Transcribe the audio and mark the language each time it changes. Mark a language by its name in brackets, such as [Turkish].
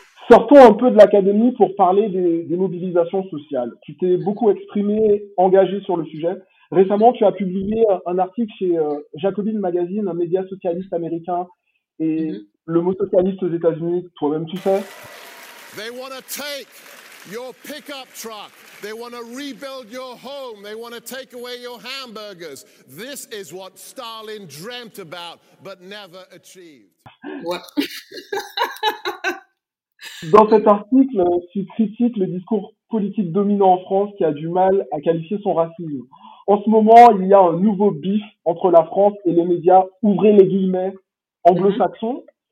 [French] Sortons un peu de l'académie pour parler des mobilisations sociales. Tu t'es beaucoup exprimé, engagé sur le sujet. Récemment, tu as publié un article chez Jacobin Magazine, un média socialiste américain, et le mot socialiste aux États-Unis, toi-même tu sais. [English] They want to take your pickup truck. They want to rebuild your home. They want to take away your hamburgers. This is what Stalin dreamt about, but never achieved. What? [French] Dans cet article, tu critiques le discours politique dominant en France qui a du mal à qualifier son racisme. En ce moment, il y a un nouveau beef entre la France et les médias, ouvrez les guillemets, anglo-saxons.